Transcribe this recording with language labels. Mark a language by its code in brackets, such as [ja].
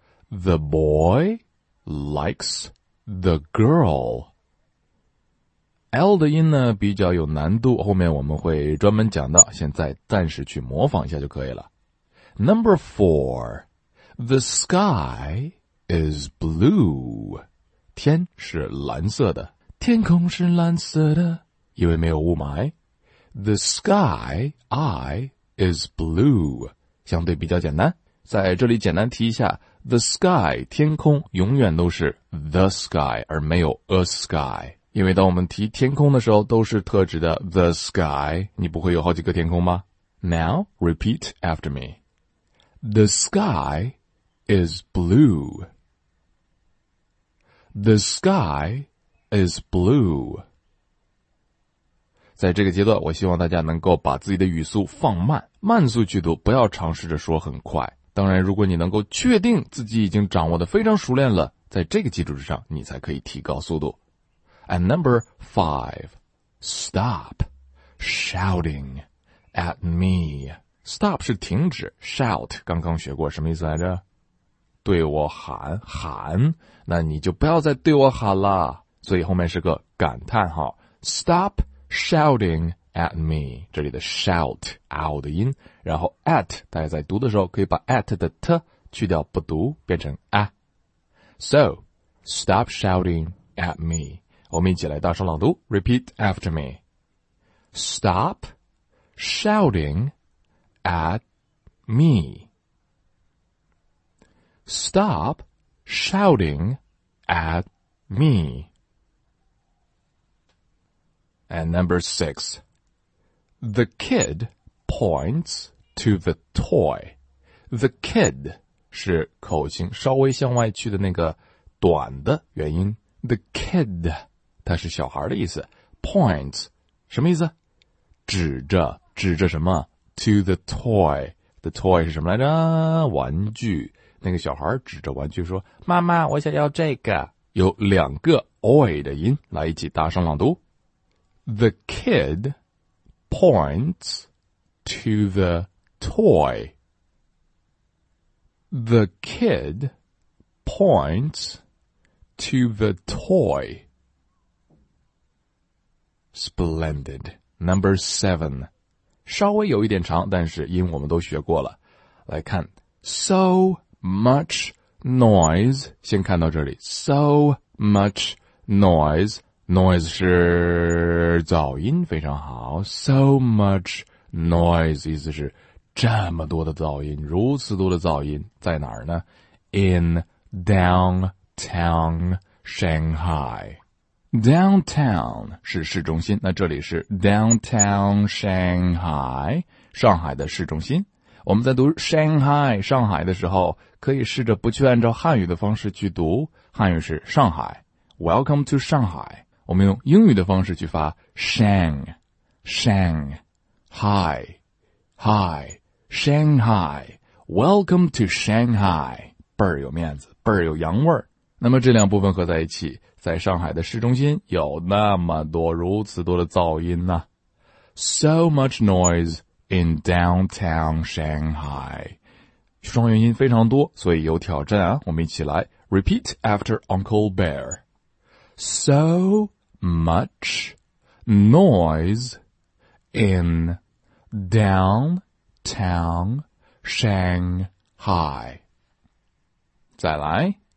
[en] The boy likes the girl. [zh] L 的音呢比较有难度，后面我们会专门讲到，现在暂时去模仿一下就可以了。 [en] Number four, the sky is blue. [zh] 天是蓝色的。天空是蓝色的，因为没有雾霾。 [en] The sky, I, is blue. [zh] 相对比较简单。在这里简单提一下 , [en] the sky, [zh] 天空永远都是 the sky, 而没有 [en] a sky. [zh] 因为当我们提天空的时候都是特指的 [en] the sky, [zh] 你不会有好几个天空吗? [en] Now, repeat after me. The sky is blue. The sky is blue. [zh] 在这个阶段我希望大家能够把自己的语速放慢。慢速去读，不要尝试着说很快。当然如果你能够确定自己已经掌握得非常熟练了，在这个基础之上你才可以提高速度。 [en] And number five, stop shouting at me. [zh] Stop 是停止 ,shout, 刚刚学过什么意思来着? 对我喊喊,那你就不要再对我喊了。所以后面是个感叹号 , [en] stop shouting at me, [zh] 这里的 shout, out 的音,然后 at, 大家在读的时候可以把 at 的 t 去掉不读变成 a. [en] So, stop shouting at me. [zh] 我们一起来大声朗读 [en] ,repeat after me. Stop shouting at me. Stop shouting at me. And number six. The kid points to the toy. The kid [zh] 是口型稍微向外去的那个短的元音。 [en] The kid. [zh] 它是小孩的意思 ,point, 什么意思? 指着什么 [en] ?to the toy, the toy [zh] 是什么来着? 玩具。那个小孩指着玩具说妈妈我想要这个。有两个 oi 的音来一起大声朗读。 [en] The kid points to the toy. The kid points to the toy. Splendid. Number seven. [zh] 稍微有一点长，但是音我们都学过了。来看 ,so much noise. 先看到这里 ,so much noise. Noise 是噪音，非常好。 So much noise 意思是这么多的噪音，如此多的噪音在哪儿呢 [en] in downtown Shanghai。 [zh] Downtown 是市中心，那这里是 downtown Shanghai， 上海的市中心。我们在读 Shanghai 上海的时候，可以试着不去按照汉语的方式去读，汉语是上海 ， [en] Welcome to Shanghai。 [zh] 我们用英语的方式去发 Shang Shanghai Hi Shanghai [en] Welcome to Shanghai， [zh] 倍儿有面子，倍儿有洋味儿。那么这两部分合在一起，在上海的市中心有那么多如此多的噪音呢。 [en] So much noise in downtown Shanghai， [zh] 双元音非常多，所以有挑战啊。我们一起来 [en] repeat after Uncle Bear。 So much noise in downtown Shanghai。 [zh] 再来。